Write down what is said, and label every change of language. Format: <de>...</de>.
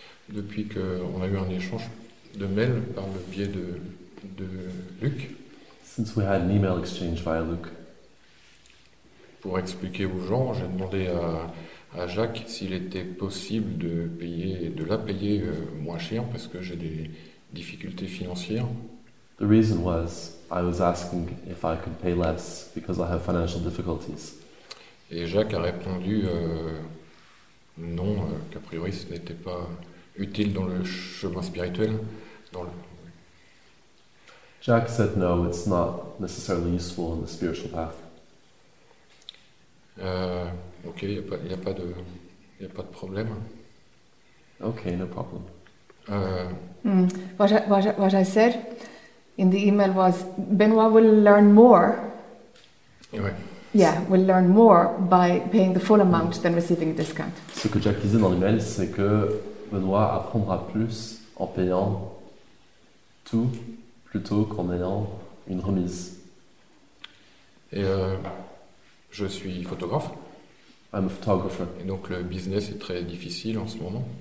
<fr>Depuis qu'on a eu un échange de mail par le biais de Luc.</fr> <en>Since we had an email exchange via Luc.</en> <fr>Pour expliquer aux gens, j'ai demandé à Jacques s'il était possible de payer de la payer moins cher parce que j'ai des difficultés financières.</fr> <en>The reason was I was asking if I could pay less because I have financial difficulties.</en> <fr>Et Jacques a répondu non, qu'a priori ce n'était pas utile dans le chemin spirituel.</fr> <en>Jacques said no, it's not necessarily useful in the spiritual path.</en> <fr>Ok, il y a pas de problème.</fr> <en>Ok, no problem. What I said. In the email was, Benoit will learn more.</en> <fr>Ouais.</fr> <en>Yeah, we'll learn more by paying the full amount than receiving a discount.</en> <fr>Ce que Jack disait dans l'email, c'est que Benoit apprendra plus en payant tout plutôt qu'en ayant une remise. Et je suis photographe.</fr> <en>I'm a photographer.</en> <fr>Et donc le business est très difficile en ce moment.</fr>